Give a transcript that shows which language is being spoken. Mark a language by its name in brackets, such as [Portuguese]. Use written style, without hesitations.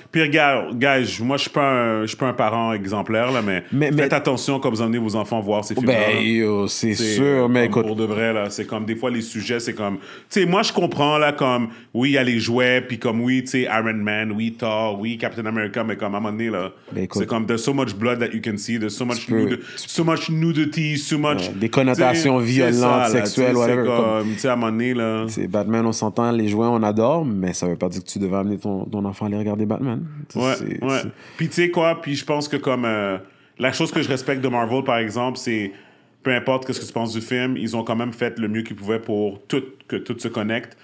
[French] Puis regarde, guys, moi, je ne suis pas un parent exemplaire, là, mais faites attention quand vous emmenez vos enfants voir ces films-là. Ben, yo, c'est sûr, mais écoute... Pour de vrai, là, c'est comme... Des fois, les sujets, c'est comme... Tu sais, moi, je comprends, là, comme... Oui, il y a les jouets, puis comme, oui, tu sais, Iron Man, oui, Thor, oui, Captain America, mais comme, à un moment donné, là... Ben, écoute, c'est comme, [English] there's so much blood that you can see, there's so much, so much nudity, so much... [French] Ouais, des connotations violentes, ça, sexuelles, whatever, tu sais, à un moment donné, là... T'sais, Batman, on s'entend, les jouets, on adore, mais ça veut pas dire que tu devais amener ton enfant aller regarder Batman. Ouais. Puis tu sais quoi, puis je pense que comme... la chose que je respecte de Marvel, par exemple, c'est... Peu importe ce que tu penses du film, ils ont quand même fait le mieux qu'ils pouvaient pour que tout se connecte.